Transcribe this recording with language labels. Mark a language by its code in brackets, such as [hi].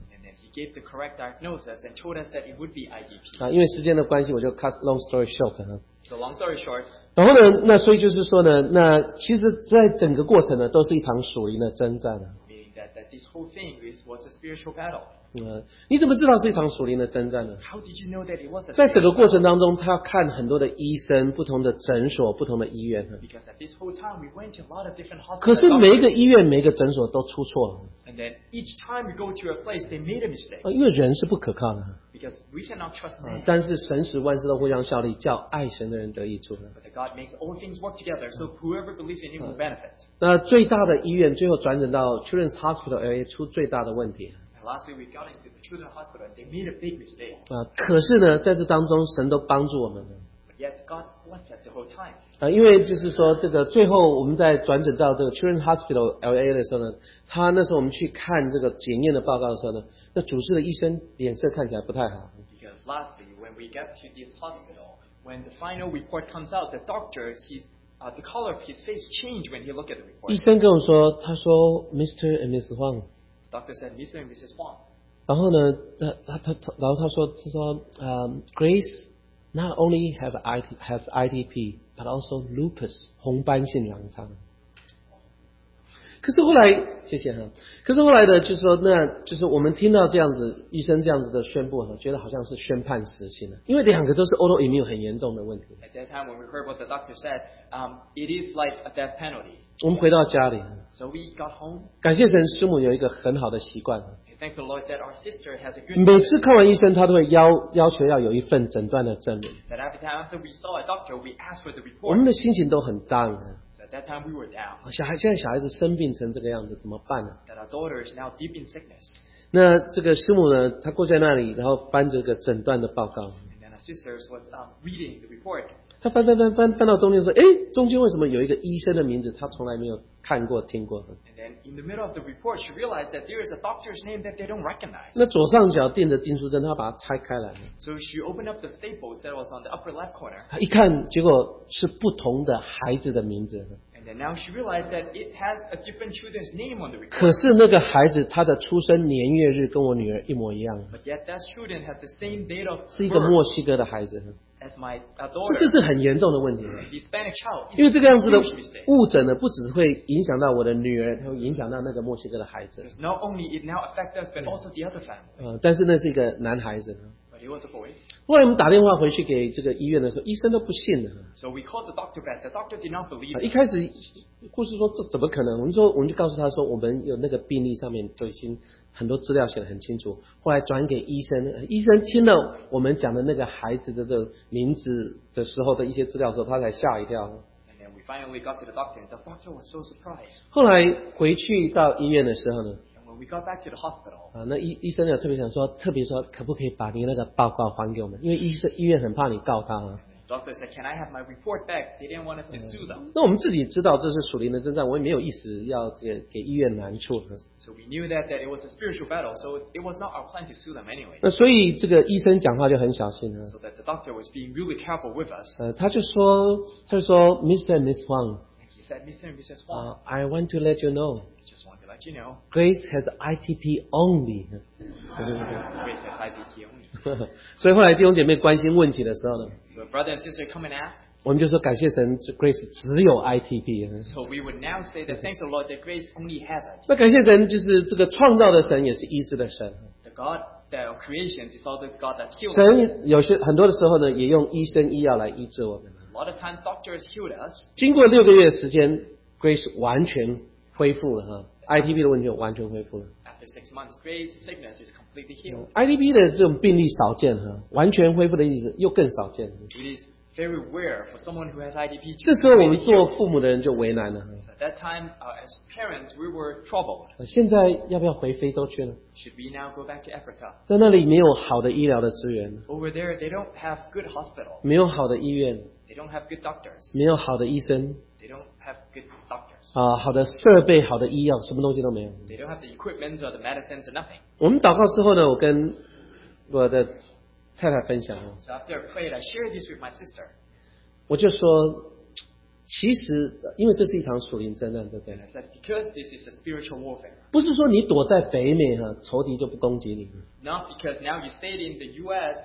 [en] And then he gave the correct diagnosis and told us that it would be IDP. [zh] 因为时间的关系，我就 [en] cut long story short [zh] 哈。 [en] So long story short. [zh] 然后呢，那所以就是说呢，那其实在整个过程呢，都是一场属灵的征战。 [en] Meaning that this whole thing was a spiritual battle. [zh] 你怎么知道是一场属灵的征战呢 [en] ？How did you know that it was a? [zh] 在整个过程当中，他要看很多的医生、不同的诊所、不同的医院。 [en] Because at this whole time we went to a lot of different hospitals. [zh] 可是每一个医院、每一个诊所都出错了。 [en] And then each time we go to a place, they made a mistake. [zh] 因为人是不可靠的。 [en] Because we cannot trust man. [zh] 但是神使万事都互相效力，叫爱神的人得益处。 [en] But God makes all things work together, so whoever believes in Him will benefit. [zh] 那最大的医院最后转诊到 Children's Hospital LA 出最大的问题。 [en] lastly, we got into the children hospital and they made a big mistake. [zh] 可是呢，在这当中，神都帮助我们了。 [en] Yet God was at the whole time. [zh] 因为就是说，这个最后我们在转诊到这个 Children Hospital LA 的时候呢，他那时候我们去看这个检验的报告的时候呢，那主治的医生脸色看起来不太好。 [en] Because lastly, when we get to this hospital, when the final report comes out, the doctor, the color of his face changed when he looked at the report. [zh] 医生跟我说，他说 [en] Mr. and Mrs. Huang. Doctor said Mr. and Mrs. Huang. [zh] 然后呢，他说 Grace. [en] Not only has ITP, but also lupus, 红斑性狼疮。 [zh] 可是后来，谢谢哈。可是后来的，就是说，那就是我们听到这样子，医生这样子的宣布哈，觉得好像是宣判死刑了，因为两个都是 autoimmune 很严重的问题。 [en] At that time, when we heard what the doctor said, it is like a death penalty. [zh] 我们回到家里。 [en] So we got home. [zh] 感谢神，师母有一个很好的习惯。 [en] Thanks the Lord that our sister has a good. [zh] 每次看完医生，他都会要求要有一份诊断的证明。 [en] That every time after we saw a doctor, we asked for the report. [zh] 我们的心情都很 down. [en] So at that time we were down. [zh] 现在小孩子生病成这个样子，怎么办呢 [en] ？That our daughter is now deep in sickness. [zh] 那这个师母呢？她坐在那里，然后翻这个诊断的报告。 [en] And then our sister was reading the report. [zh] 她翻到中间说：“哎，中间为什么有一个医生的名字？她从来没有。” 看过听过。 [en] And then in the middle of the report, she realized that there is a doctor's name that they don't recognize. [zh] 那左上角垫着钉书针，她把它拆开来了。 [en] So she opened up the staples that was on the upper left corner. [zh] 她一看，结果是不同的孩子的名字。 [en] And then now she realized that it has a different children's name on the report. [zh] 可是那个孩子他的出生年月日跟我女儿一模一样。 [en] But yet that children has the same date of birth. [zh] 是一个墨西哥的孩子。 [en] As my daughter, [zh] 这就是很严重的问题。 [en] Hispanic child, [zh] 因为这个样子的误诊呢，不只会影响到我的女儿，它会影响到那个墨西哥的孩子。 [en] Not only it now affects us, but also the other family. [zh] 但是那是一个男孩子。 [en] But he was a boy. [zh] 后来我们打电话回去给这个医院的时候，医生都不信了。 [en] So we called the doctor back. The doctor did not believe. [zh] 一开始护士说这怎么可能？我们就告诉他说，我们有那个病历上面都已经。很多资料写得很清楚，后来转给医生，医生听了我们讲的那个孩子的这个名字的时候的一些资料之后，他才吓一跳。 [en] And then we finally got to the doctor, and the doctor was so surprised. [zh] 后来回去到医院的时候呢 [en] ，And when we got back to the hospital, [zh] 那医生呢特别说，可不可以把你那个报告还给我们？因为医院很怕你告他。 [en] Doctor said, "Can I have my report back?" They didn't want us to sue them. [zh] 那我们自己知道这是属灵的征战，我也没有意思要给医院难处。 [en] So we knew that it was a spiritual battle, so it was not our plan to sue them anyway. [zh] 那所以这个医生讲话就很小心了。 [en] So that the doctor was being really careful with us. [zh] 他就说 [en] Mr. and Mrs. Huang. He said, "Mr. and Mrs. Huang, I want to let you know. I just want to let you know. Grace has ITP only." Grace has ITP only. [zh] 所以后来弟兄姐妹关心问题的时候呢。 [en] So brother and sister come and ask. [zh] 我们就说感谢神 ，Grace 只有 ITP。 [en] So we would now say that thanks the Lord that Grace only has ITP. [zh] 那感谢神就是这个创造的神也是医治的神。 [en] The God that creation is also God that heals. [zh] 神有些很多的时候呢，也用医生医药来医治我们。 [en] A lot of times doctors healed us. [zh] 经过六个月的时间 ，Grace 完全恢复了哈 ，ITP 的问题完全恢复了。 [en] 6 months, Grace's sickness is completely healed. [zh] ITP 的这种病例少见哈，完全恢复的意思又更少见。 [en] It is very rare for someone who has ITP. [zh] 这时候我们做父母的人就为难了。 [en] At that time, as parents, we were troubled. [zh] 现在要不要回非洲去呢 [en] ？Should we now go back to Africa? [zh] 在那里没有好的医疗的资源。 [en] Over there, they don't have good hospital. [zh] 没有好的医院。 [en] They don't have good doctors. [zh] 没有好的医生。 [en] They don't have good doctors. [zh] 好的设备，好的医药，什么东西都没有。 [en] They don't have the equipment or the medicines or nothing. [zh] 我们祷告之后呢，我跟我的太太分享。 [en] So after I prayed, I shared this with my sister. [zh] 我就说，其实因为这是一场属灵征战，对不对 [en] ？I said because this is a spiritual warfare. [zh] 不是说你躲在北美哈，仇敌就不攻击你。 [en] Not because now you stayed in the U.S.